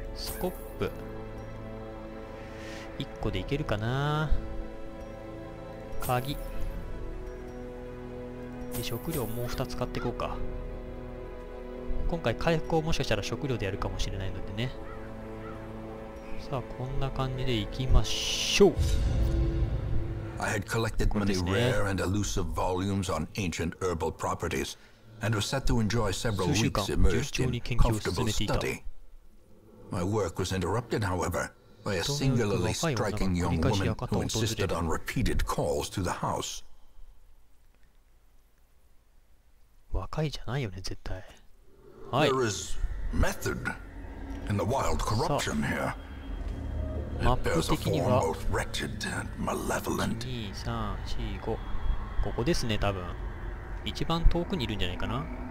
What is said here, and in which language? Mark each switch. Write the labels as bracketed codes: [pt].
[ja] スコップ1個でいけるかな。鍵で食料もう2つ買っていこうか。今回回復をもしかしたら食料でやるかもしれないのでね。さあこんな感じでいきましょう。 [en] I had collected many rare and elusive volumes on ancient herbal properties and was set to enjoy several weeks immersed in comfortable study. My work was interrupted, however, by a singularly striking young woman who insisted on repeated calls to the house. [ja] 若いじゃないよね、絶対。 [en] There is method in the wild corruption here. It bears a form both wretched and malevolent. [ja] 1、2、3、4、5。 ここですね、多分。一番遠くにいるんじゃないかな。